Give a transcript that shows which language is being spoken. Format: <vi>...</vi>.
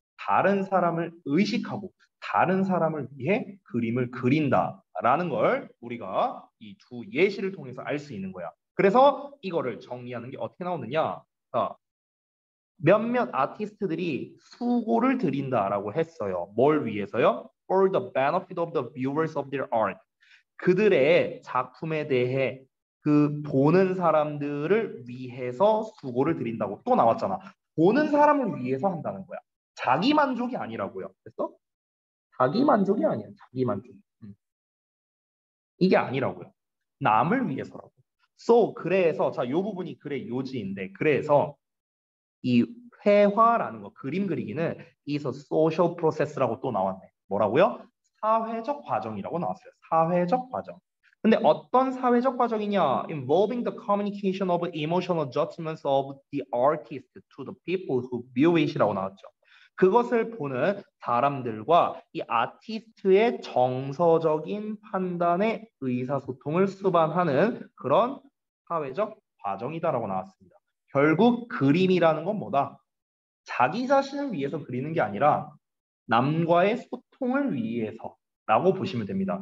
<ko>다른 사람을 의식하고 다른 사람을 위해 그림을 그린다라는 걸 우리가 이두 예시를 통해서 알수 있는 거야. 그래서 이거를 정리하는 게 어떻게 나오느냐? 자, 몇몇 아티스트들이 수고를 드린다라고 했어요. 뭘 위해서요?</ko> <en>For the benefit of the viewers of their art.</en> <ko>그들의 작품에 대해 그 보는 사람들을 위해서 수고를 드린다고 또 나왔잖아. 보는 사람을 위해서 한다는 거야. 자기 만족이 아니라고요. 됐어? 자기 만족이 아니야. 자기 만족. 이게 아니라고요. 남을 위해서라고. So, 그래서, 자, 요 부분이 글의 요지인데, 그래서 이 회화라는 거, 그림 그리기는</ko> <en>is a social process</en> <ko>라고 또 나왔네. 뭐라고요? 사회적 과정이라고 나왔어요. 사회적 과정. 근데 어떤 사회적 과정이냐?</ko> <en>Involving the communication of emotional judgments of the artist to the people who view it이라고 나왔죠.</en> <ko>그것을 보는 사람들과 이 아티스트의 정서적인 판단의 의사소통을 수반하는 그런 사회적 과정이다라고 나왔습니다. 결국 그림이라는 건 뭐다? 자기 자신을 위해서 그리는 게 아니라 남과의 소통을 위해서라고 보시면 됩니다.</ko>